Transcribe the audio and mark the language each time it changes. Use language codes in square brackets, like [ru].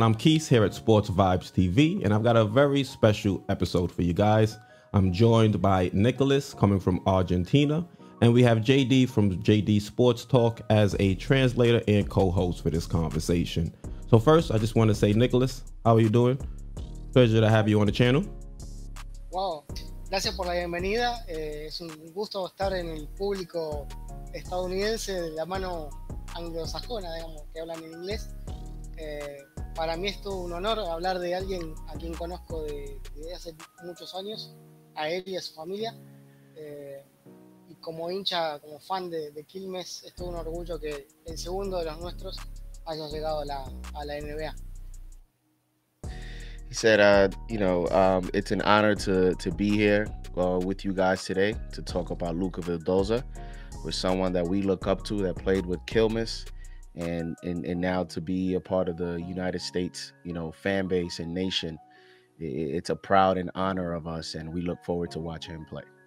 [en] I'm Keith here at Sports Vibes TV, and I've got a very special episode for you guys. I'm joined by Nicholas coming from Argentina, and we have JD from JD Sports Talk as a translator and co-host for this conversation. So first, I just want to say, Nicholas, how are you doing? Pleasure to have you on the channel. [es] Wow. Gracias por la bienvenida. Es un gusto estar en el público estadounidense de la mano anglosajona, digamos, que hablan en inglés. Para mí es todo un honor hablar de alguien a quien conozco de hace muchos años, a él y a su familia. Y como hincha, como fan de Quilmes, es todo un orgullo que el segundo de los nuestros haya llegado a la NBA. [en] He said, it's an honor to be here with you guys today to talk about Luka Vildoza, with someone that we look up to that played with Quilmes. And now to be a part of the United States, you know, fan base and nation, it's a proud and honor of us, and we look forward to watching him play.